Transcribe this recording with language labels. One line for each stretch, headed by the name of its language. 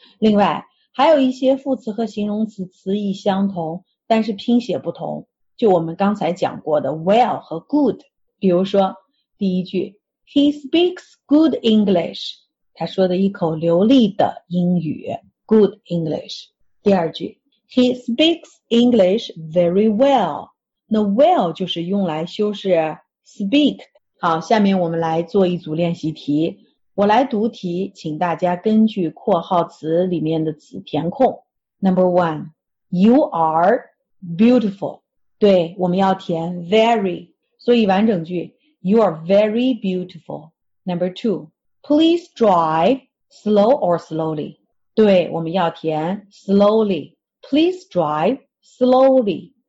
Chinese: 另外还有一些副词和形容词词义相同，但是拼写不同，就我们刚才讲过的 well 和 good。比如说第一句
English: He speaks good English，
Chinese: 他说的一口流利的英语 good English。第二句
English: He speaks English very well，
Chinese: 那 well 就是用来修饰 speak。好，下面我们来做一组练习题，我来读题，请大家根据括号词里面的词填空。
English: Number one， You are beautiful，
Chinese: 对，我们要填
English: very，
Chinese: 所以完整句
English: You are very beautiful。 Number two， Please drive slow or slowly，
Chinese: 对，我们要填
English: slowly， Please drive slowly。